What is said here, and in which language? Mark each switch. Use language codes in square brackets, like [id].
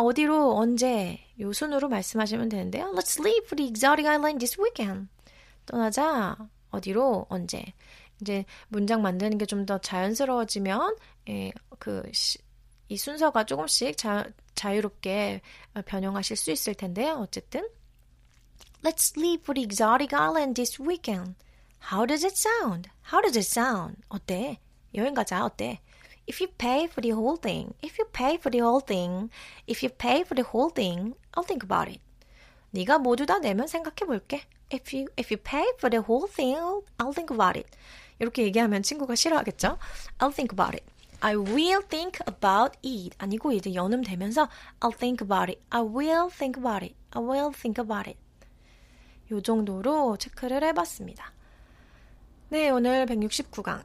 [ko] 어디로 언제 요 순으로 말씀하시면 되는데요. [en] Let's leave the exotic island this weekend. [ko] 떠나자. 어디로 언제 이제 문장 만드는 게 좀 더 자연스러워지면 이 순서가 조금씩 자유롭게 변형하실 수 있을 텐데요. 어쨌든 [en] Let's leave for the exotic island this weekend. How does it sound? How does it sound? [ko] 어때? 여행 가자. 어때? [en] If you pay for the whole thing. If you pay for the whole thing. If you pay for the whole thing, I'll think about it. [ko] 네가 모두 다 내면 생각해 볼게. [en] If you pay for the whole thing, I'll think about it. [ko] 이렇게 얘기하면 친구가 싫어하겠죠? [en] I'll think about it. I will think about it. [ko] 아니고 이제 연음 되면서 [en] I'll think about it. I will think about it. I will think about it. [ko] 요 정도로 체크를 해봤습니다. 네, 오늘 169강.